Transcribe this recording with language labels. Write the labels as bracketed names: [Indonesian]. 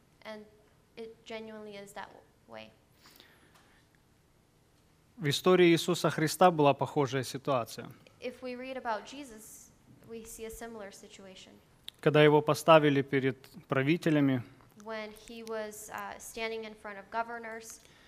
[English] And it genuinely is that way. [Russian] В истории Иисуса Христа была похожая ситуация. [English] If we read about Jesus, we see a similar situation. [Russian] Когда его поставили перед правителями, [English] when he was standing in front of governors,